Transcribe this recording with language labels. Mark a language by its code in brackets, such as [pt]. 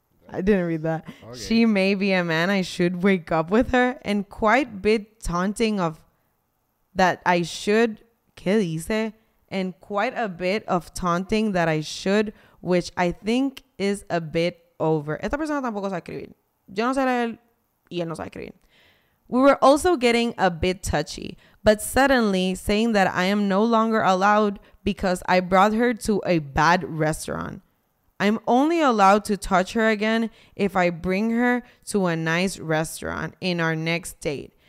[en] I didn't read that. Okay. She may be a man, I should wake up with her. And quite a bit taunting of that I should, [es] ¿qué dice? [en] And quite a bit of taunting that I should, which I think is a bit over. [es] Esta persona tampoco sabe escribir. Yo no sé leer y él no sabe escribir. [en] We were also getting a bit touchy, but suddenly saying that I am no longer allowed because I brought her to a bad restaurant. I'm only allowed to touch her again if I bring her to a nice restaurant in our next date.